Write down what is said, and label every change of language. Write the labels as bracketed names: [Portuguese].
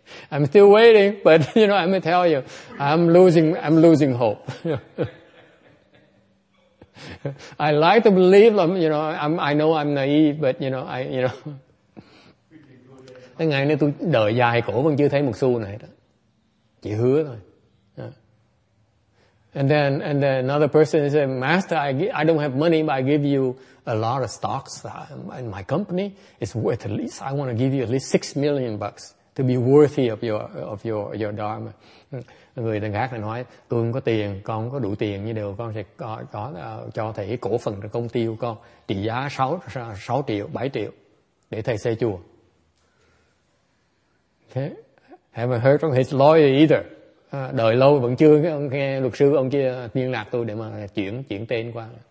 [English] I'm still waiting, but you know, I'm gonna tell you, I'm losing hope. I like to believe them, you know, [Vietnamese] I know I'm naive, but you know, Cái ngày nay tôi đợi dài cổ vẫn chưa thấy một xu này đó. Chỉ hứa thôi. [English] And then another person said, Master, I don't have money, but I give you a lot of stocks in my company. It's worth at least, I want to give you at least $6,000,000 to be worthy of your dharma. [Vietnamese] Người đàn khác lại nói, tôi không có tiền, con không có đủ tiền, như đều con sẽ cho thầy cổ phần của công ty của con trị giá 6 triệu, 7 triệu để thầy xây chùa. [English] Okay. Haven't heard from his lawyer either. [Vietnamese] Đợi lâu vẫn chưa nghe luật sư ông kia liên lạc tôi để mà chuyển tên qua.